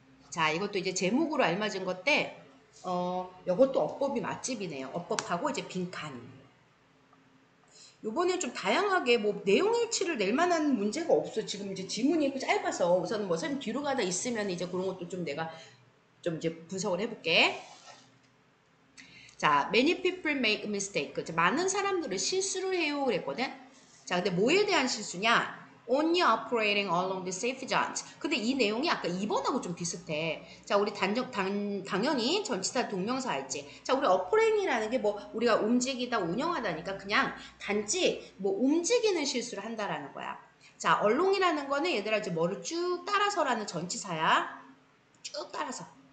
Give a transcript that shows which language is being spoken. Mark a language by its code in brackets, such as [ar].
[ko] 자, 이것도 이제 제목으로 알맞은 것때, 이것도 어법이 맛집이네요. 어법하고 이제 빈칸. 요번에 좀 다양하게 뭐 내용 일치를 낼 만한 문제가 없어. 지금 이제 지문이 있고 짧아서. 우선 뭐 선생님 뒤로 가다 있으면 이제 그런 것도 좀 내가 좀 이제 분석을 해볼게. [en] 자, many people make mistakes. [ko] 많은 사람들은 실수를 해요. 그랬거든. 자, 근데 뭐에 대한 실수냐? [en] Only operating along the safe zones. [ko] 근데 이 내용이 아까 2번하고 좀 비슷해. 자, 우리 당연히 전치사 동명사 알지. 자, 우리 operating이라는 게 뭐 우리가 움직이다 운영하다니까 그냥 단지 뭐 움직이는 실수를 한다라는 거야. 자, along이라는 거는 얘들아 이제 뭐를 쭉 따라서라는 전치사야. 쭉 따라서.